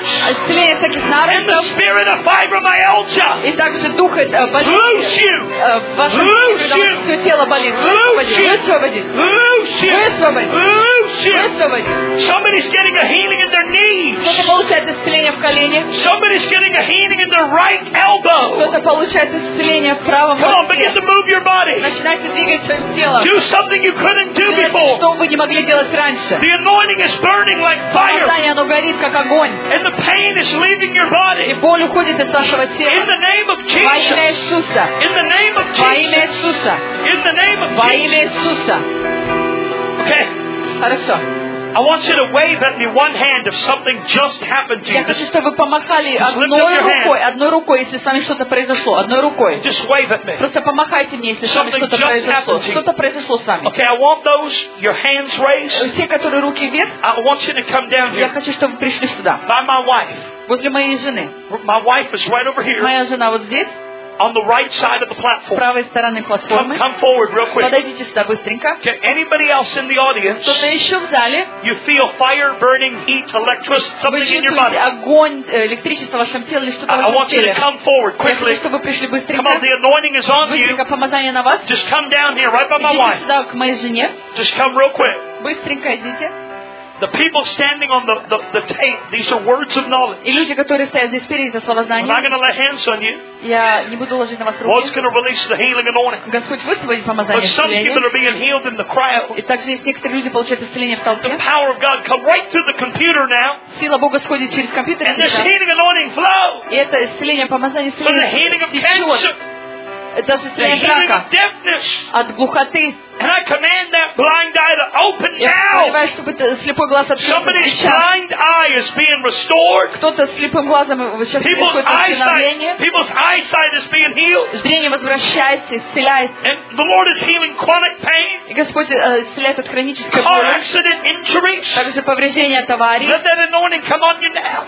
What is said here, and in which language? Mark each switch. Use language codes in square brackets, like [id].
[ru] Исцеление всяких наростов. [en] And the spirit of fibromyalgia. [ru] И также дух болезни. [en] Loose you. [ru] Ваше все тело болит. Высвободи. [en] Loose you. [ru] Высвободи. [en] Loose you. Somebody's getting a healing in their knees. [ru] Кто-то получает исцеление в колене. [en] Somebody's getting a healing in their right elbow. [ru] Кто-то получает исцеление в правом локте. [en] Come on, begin to move your body. [ru] Начинайте двигать своим телом. [en] Do something you couldn't do before. [ru] Что вы не могли делать раньше. [en] The anointing is burning like fire. [ru] Помазание, оно горит как огонь. [en] And the pain is leaving your body. [ru] И боль уходит из вашего тела. [en] In the name of Jesus. [ru] Во имя Иисуса. [en] In the name of Jesus. [ru] Во имя Иисуса. [en] In the name of Jesus. [ru] Во имя Иисуса. [en] Okay. [ru] Хорошо. [en] I want you to wave at me one hand if something just happened to you. [ru] Я хочу, чтобы вы помахали одной рукой, если с вами что-то произошло. Одной рукой. [en] Just wave at me. [ru] Просто помахайте мне, если с вами что-то произошло. Что-то произошло с вами. [en] Okay, I want those your hands raised. [ru] Те, которые руки вверх. [en] I want you to come down here. [ru] Я хочу, чтобы вы пришли сюда. [en] By my wife. [ru] Возле моей жены. [en] My wife is right over here. [ru] Моя жена вот здесь. [en] on the right side of the platform. [ru] С правой стороны платформы. [en] Come forward real quick. [ru] Подойдите сюда быстренько. [en] To anybody else in the audience? [ru] Кто-то еще в зале? [en] You feel fire, burning heat, electricity, something in your body? [ru] Вы чувствуете огонь, электричество в вашем теле или что-то в вашем теле? [en] I want you to come forward quickly. [ru] Я хочу, чтобы вы пришли быстренько. [en] Come on, the anointing is on you. [ru] Быстренько, помазание на вас. [en] Just come down here, right by my wife. [ru] Идите сюда к моей жене. [en] Just come real quick. [ru] Быстренько идите. [en] The people standing on the tape, these are words of knowledge. [ru] И люди, которые стоят здесь впереди, это слова знания. [en] I'm not going to lay hands on you. [ru] Я не буду ложить на вас руки. [en] Lord's going to release the healing anointing. [ru] Господь высвободит помазание. [en] But some people are being healed in the crowd. [ru] И также есть некоторые люди получают исцеление в толпе. [en] The power of God come right through the computer now. [ru] Сила Бога сходит через компьютер. [en] And this healing anointing flow. [ru] И это исцеление помазание исцеление. [en] But the healing of cancer. [ru] Это же исцеление от глухоты. [en] And I command that blind eye to open now. Somebody's blind eye is being restored. [ru] Кто-то слепым глазом сейчас происходит восстановление. [en] People's eyesight is being healed. [ru] Зрение возвращается, исцеляется. [en] And the Lord is healing chronic pain. [ru] И Господь исцеляет от хронической боли. [en] Car accident injuries. [ru] Также повреждения от аварии. [en] Let that anointing come on you now.